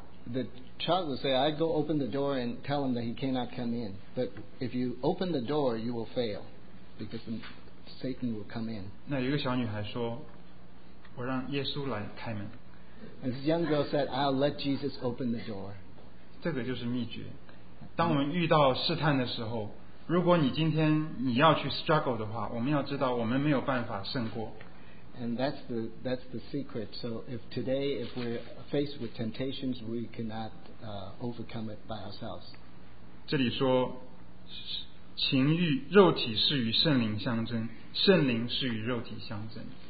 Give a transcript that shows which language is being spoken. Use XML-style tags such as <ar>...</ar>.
<en>The child will say, I go open the door and tell him that he cannot come in. But if you open the door, you will fail because Satan will come in.</en> <zh>那有一个小女孩说，我让耶稣来开门。</zh> <en>And this young girl said, I'll let Jesus open the door.</en> <zh>这个就是秘诀。当我们遇到试探的时候，如果你今天你要去 struggle 的话，我们要知道我们没有办法胜过。</zh> <en>And that's the secret. So if today if we're faced with temptations, we cannot overcome it by ourselves.</en> <zh>这里说，情欲肉体是与圣灵相争，圣灵是与肉体相争。</zh>